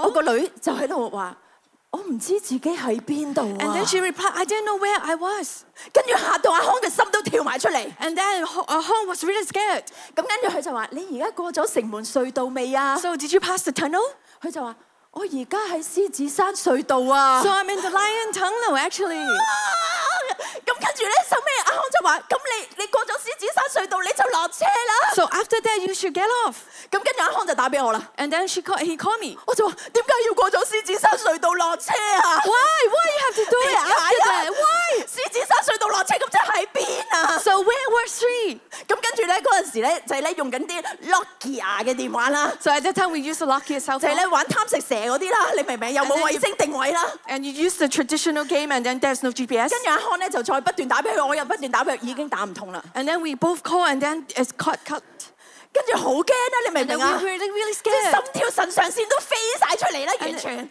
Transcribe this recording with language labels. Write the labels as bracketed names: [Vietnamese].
[Cantonese] 我個女就喺度話：我唔知自己喺邊度啊。 [English] And then she replied, I didn't know where I was。 [Cantonese] 跟住嚇到阿康嘅心都跳埋出嚟 [English] ，and then 阿康 was really scared。 [Cantonese] 咁跟住佢就話：你而家過咗城門隧道未啊 [English] ？So did you pass the tunnel？ [Cantonese] 佢就話：我而家喺獅子山隧道啊。 [English] So I'm in the Lion Tunnel actually。 [Cantonese] 咁跟住咧，收尾阿康就话：咁你过咗狮子山隧道，你就落车啦。 [English] So after that, you should get off. [Cantonese] 咁跟住阿康就打俾我啦。 [English] And then he called me. [Cantonese] 我就话：点解要过咗狮子山隧道落车啊 [English] ？Why you have to do it after that? Why？ [Cantonese] 狮子山隧道落车咁即系喺边啊 [English] ？So where were three？ [Cantonese] 咁跟住咧，嗰阵时咧就系咧用紧啲 Nokia 嘅电话啦。 [English] So at that time we used Nokia cell phone. [Cantonese] 就系咧玩贪食蛇嗰啲啦，你明唔明？又冇卫星定位啦。 [English] And you use the traditional game, and then there's no GPS. [Cantonese] 跟住阿康咧就再不断打俾佢，我又不断打俾佢，已经打唔通啦。 [English] And then we both call, and then it's cut. [Cantonese] 跟住好惊啦，你明唔明啊 [English] ？We were really scared. [Cantonese] 心跳、肾上腺都飞晒出嚟啦，完全。